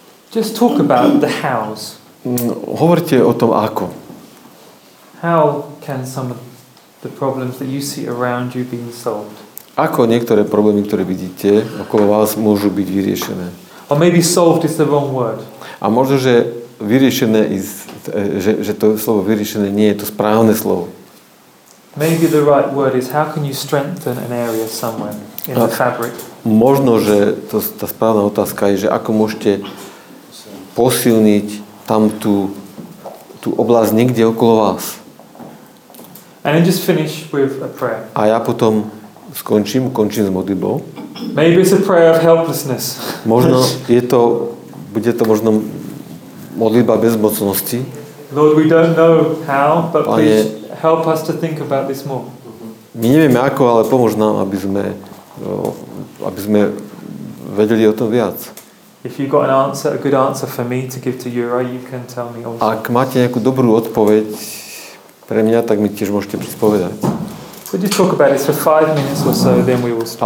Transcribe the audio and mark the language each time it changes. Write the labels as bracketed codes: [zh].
[en] Just talk about the hows. [sk] Hovorte o tom ako. [en] How can some of the problems that you see around you being solved? [sk] Ako niektoré problémy, ktoré vidíte okolo vás, môžu byť vyriešené? [en] Or maybe solved is the wrong word. [sk] A možno, že vyriešené is, že to slovo vyriešené nie je to správne slovo. [en] Maybe the right word is how can you strengthen an area somewhere in the fabric. [sk] Možno, že to, tá správna otázka je, že ako môžete posilniť tam tú oblasť niekde okolo vás. [en] And just finish with a prayer. [sk] A ja potom končím s modlitbou. [en] Maybe it's a prayer of helplessness. [sk] Možno je to, bude to možno modlitba bezmocnosti. [en] Lord, we don't know how, but please help us to think about this more. [sk] My nevieme ako, ale pomôž nám, aby sme vedeli o tom viac. [en] If you got an answer, a good answer for me to give to Jura, you can tell me also. [sk] Ak máte nejakú dobrú odpoveď pre mňa, tak mi tiež môžete prispovedať. [en] We just talk about it for 5 minutes or so, then we will stop.